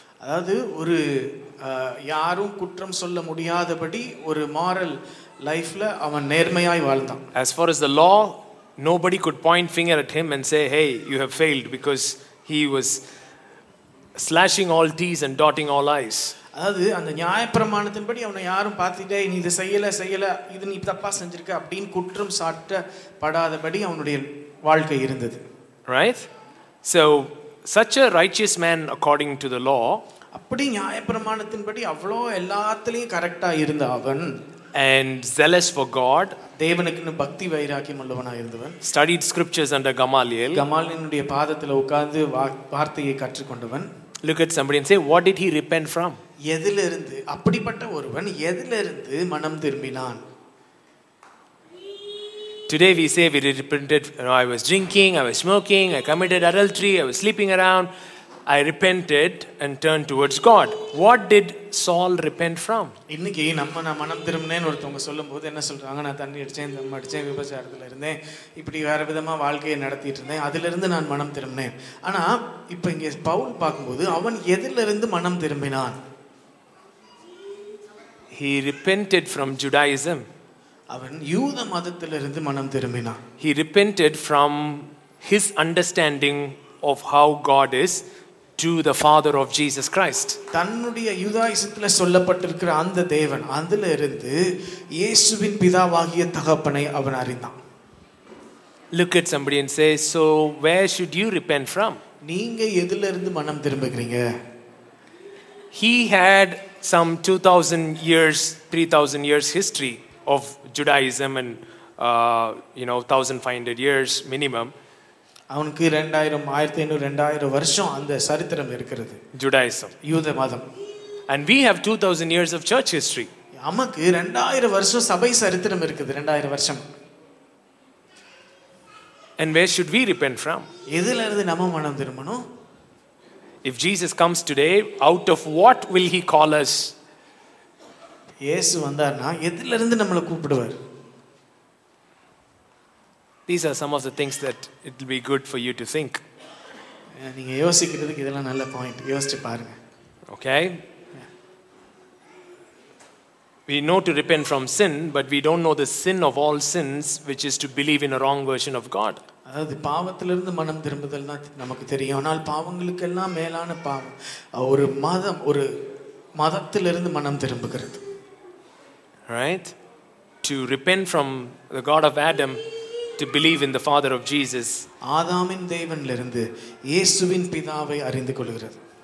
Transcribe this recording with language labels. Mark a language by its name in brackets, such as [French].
[Tamil] அதாவது ஒரு யாரும் குற்றம் சொல்ல முடியாதபடி ஒரு மாரல் லைஃப்ல அவன் நேர்மையாய் வாழ்ந்தான். [English] As far as the law, nobody could point finger at him and say, hey, you have failed, because he was slashing all T's and dotting all I's. [Tamil] அதாவது அந்த நியாயப்பிரமாணத்தின்படி அவனை யாரும் பார்த்துட்டே நீ இதை செய்யலை செய்யலை இது நீ தப்பாக செஞ்சிருக்க அப்படின்னு குற்றம் சாட்டப்படாதபடி அவனுடைய வாழ்க்கை இருந்தது. [English] Right? So, such a righteous man according to the law. [Tamil] அப்படி நியாயப்பிரமாணத்தின்படி அவ்வளோ எல்லாத்துலேயும் கரெக்டாக இருந்த அவன். [English] And zealous for God. [Tamil] தேவனுக்குன்னு பக்தி வைராக்கியம் உள்ளவனாக இருந்தவன். [English] Studied scriptures under Gamaliel. [Tamil] கமாலியலினுடைய பாதத்தில் உட்கார்ந்து வார்த்தையை கற்றுக்கொண்டவன். [English] Look at somebody and say, what did he repent from? [Tamil] எதிலிருந்து அப்படிப்பட்ட ஒருவன் எதிலிருந்து மனம் திரும்பினான்? [English] Today we say we repented, you know, I was drinking, I was smoking, I committed adultery, I was sleeping around, I repented and turned towards God. What did Saul repent from? [Tamil] இன்னைக்கு நம்ம நான் மனம் திரும்பினேன் ஒருத்தவங்க சொல்லும்போது என்ன சொல்றாங்க? நான் தண்ணி அடிச்சேன், தம் அடிச்சேன், விபச்சாரத்தில் இருந்தேன், இப்படி வேற விதமா வாழ்க்கையை நடத்திட்டு இருந்தேன், அதிலிருந்து நான் மனம் திரும்பினேன். ஆனா இப்ப இங்க பவுல் பார்க்கும்போது அவன் எதிலிருந்து மனம் திரும்பினான்? [English] He repented from Judaism. [Tamil] அவன் யூத மதத்திலிருந்து மனம் திரும்பினான். [English] He repented from his understanding of how God is to the father of Jesus Christ. [Tamil] தன்னுடைய யூதாயிசத்தில் சொல்லப்பட்டிருக்கிற அந்த தேவன் அதிலிருந்து இயேசுவின் பிதாவாகிய தகப்பனை அவன் அறிந்தான். [English] Look at somebody and say, so where should you repent from? [Tamil] நீங்க எதிலிருந்து மனம் திரும்புகிறீங்க? [English] He had some 2000 years 3000 years history of Judaism and 1500 years minimum. [Tamil] அவனுக்கு 2000 வருஷம் அந்த சரித்திரம் இருக்கிறது. ஜூடாயிசம், யூத மதம். [English] And we have 2000 years of church history. [Tamil] நமக்கு 2000 வருஷம் சபை சரித்திரம் இருக்குது. 2000 வருஷம். [English] And where should we repent from? [Tamil] எதிலிருந்து நம்ம மனம் திரும்பணும்? [English] If Jesus comes today, out of what will he call us? [Tamil] இயேசு வந்தார்னா எதிலிருந்து நம்மளை கூப்பிடுவார்? [English] These are some of the things that it will be good for you to think. [Tamil] நீங்க யோசிக்கிறதுக்கு இதெல்லாம் நல்ல பாயிண்ட். யோசிச்சு பாருங்க. [English] Okay. We know to repent from sin, but we don't know the sin of all sins, which is to believe in a wrong version of God. [Tamil] அதாவது பாவத்திலிருந்து மனம் திரும்புதல் தான் நமக்கு தெரியும். ஆனால் பாவங்களுக்கு எல்லாம் மேலான பாவம் ஒரு மதம், ஒரு மதத்திலிருந்து மனம் திரும்புகிறது. [English] Right? To repent from the God of Adam, to believe in the father of Jesus. [Tamil] ஆதாமின் தேவனிலிருந்து இயேசுவின் பிதாவை அறிந்து கொள்கிறது.